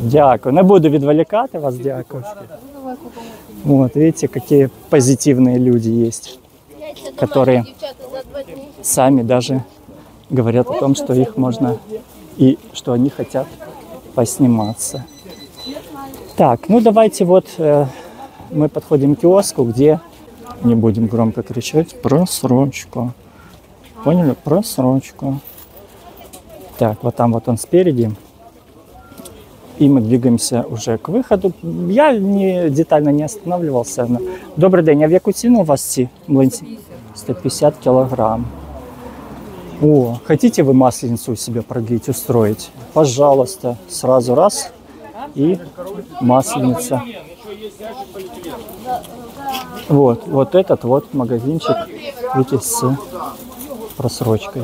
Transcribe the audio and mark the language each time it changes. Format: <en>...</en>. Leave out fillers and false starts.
<uk>Дякую, не буду відволікати вас, дякую. От, видите, які позитивні люди є, які самі навіть говорять о том, що їх можна і що вони хочуть посніматися. Так, ну давайте от ми підходимо к кіоску, де...</uk> <ru>Не будем громко кричать. Просрочку. Поняли? Просрочку. Так, вот там вот он спереди. И мы двигаемся уже к выходу. Я не, детально не останавливался. Но... Добрый день,</ru> <uk>а в яку ціну у вас ці млинці?</uk> <ru>150 килограмм. О, хотите вы масленицу у себя продлить, устроить? Пожалуйста, сразу раз. И масленица. Вот, вот этот вот магазинчик, видите, с просрочкой.</ru>